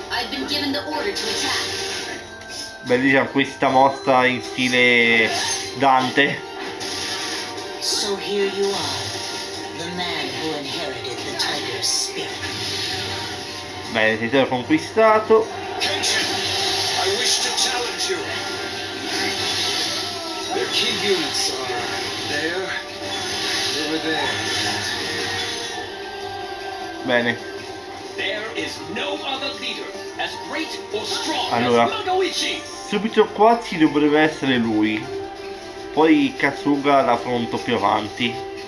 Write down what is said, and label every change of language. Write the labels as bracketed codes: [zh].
[en] I've been given the order to attack. [it] Beh, diciamo, questa mossa in stile Dante. [en] So here you are, the man who inherited the tiger's spirit. [it] Bene, ti sei conquistato. [en] Kenshin, I wish to challenge you. Their key units are there, over there. [it] Bene. [en] There is no other leader as great or strong. [it] Allora, subito qua ci dovrebbe essere lui. Poi Kasuga l'affronto più avanti.